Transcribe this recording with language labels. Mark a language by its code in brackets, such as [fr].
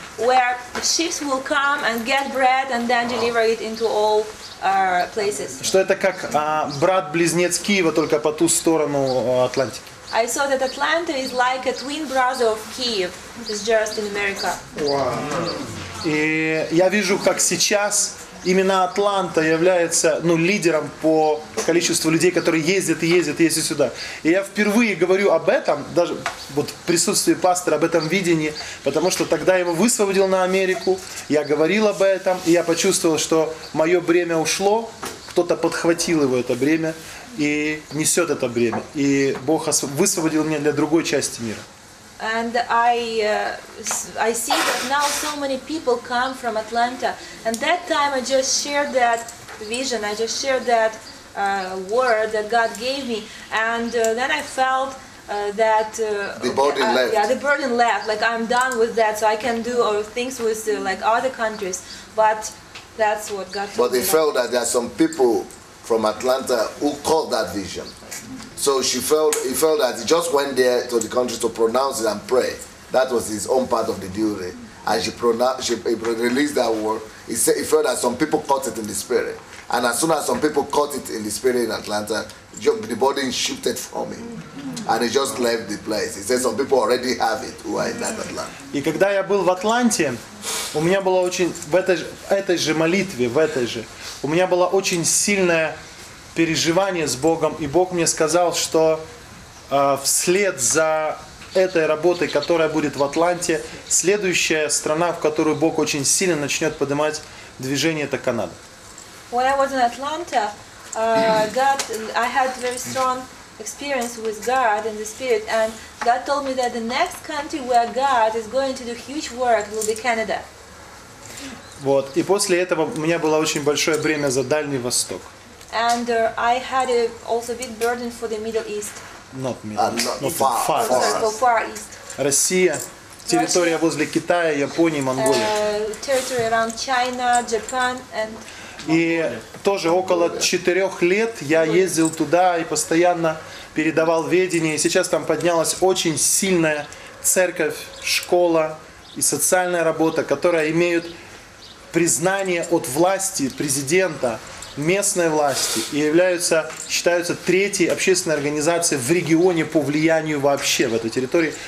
[en] Where ships will come and get bread and then deliver it into all places. [ru] Что это как брат-близнец Киева, только по ту сторону Атлантики. [en] I saw that Atlanta is like a twin brother of Kyiv, it's just in America. Wow. [ru] И я вижу, как сейчас именно Атланта является, ну, лидером по количеству людей, которые ездят сюда. И я впервые говорю об этом, даже вот в присутствии пастора, об этом видении, потому что тогда его высвободил на Америку, я говорил об этом, и я почувствовал, что мое бремя ушло, кто-то подхватил его, это бремя, и несет это бремя. И Бог высвободил меня для другой части мира. [en] And I see that now so many people come from Atlanta. And that time I just shared that vision, I just shared that word that God gave me. And then I felt that the burden left. Like I'm done with that, so I can do other things with like other countries. But that's what God told me. But they felt that there are some people from Atlanta who caught that vision. So he felt that he just went there to the country to pronounce it and pray. That was his own part of the duty. And he released that word. He felt that some people caught it in the spirit. And as soon as some people caught it in the spirit in Atlanta, the burden shifted from him. And he just left the place. He said some people already have it who are in that Atlanta. [ru] И когда я был в Атланте, у меня была очень в этой же молитве, у меня была очень сильная переживание с Богом, и Бог мне сказал, что вслед за этой работой, которая будет в Атланте, следующая страна, в которую Бог очень сильно начнет поднимать движение, это Канада. [en] When I was in Atlanta, I had very strong experience with God in the Spirit, and God told me that the next country where God is going to do huge work will be Canada. [ru] Вот, и после этого у меня было очень большое бремя за Дальний Восток. [en] And I had also a big burden for the Middle East. Not Middle East. Not far. Far East. [ru] Россия, территория возле Китая, Японии, Монголии. [en] Territory around China, Japan and. [ru] И тоже около 4 лет я ездил туда и постоянно передавал ведение. И сейчас там поднялась очень сильная церковь, школа и социальная работа, которая имеют признание от власти президента, местной власти, и являются, считаются третьей общественной организацией в регионе по влиянию вообще в этой территории.